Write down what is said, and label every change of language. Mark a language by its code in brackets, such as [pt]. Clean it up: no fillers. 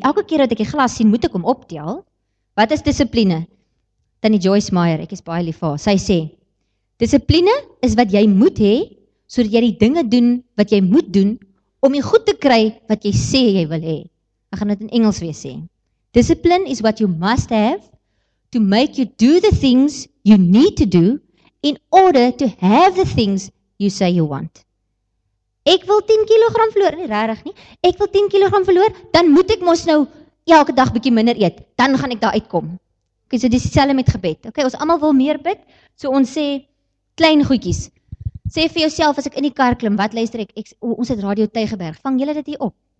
[af] Elke keer dat ek 'n glas sien, moet ek hom optel. Wat is dissipline? Tannie Joyce Meyer, ek is baie lief vir haar. Sy sê: "Dissipline is wat jy moet hê sodat jy die dinge doen wat jy moet doen." Om jy goed te kry wat jy sê jy wil hê. Ek gaan dit in Engels weer sê. [en] Discipline is what you must have to make you do the things you need to do in order to have the things you say you want. [af] Ek wil 10 kg verloor, nie regtig nie. Ek wil 10 kg verloor, dan moet ek mos nou elke dag bietjie minder eet. Dan gaan ek daar uitkom. Okay, so dis dieselfde met gebed. Okay, ons almal wil meer bid. So ons sê klein goedjies. Sê vir jouself as ek in die kar klim, wat luister ek? Ons het Radio Tygerberg. Vang julle dit hier op?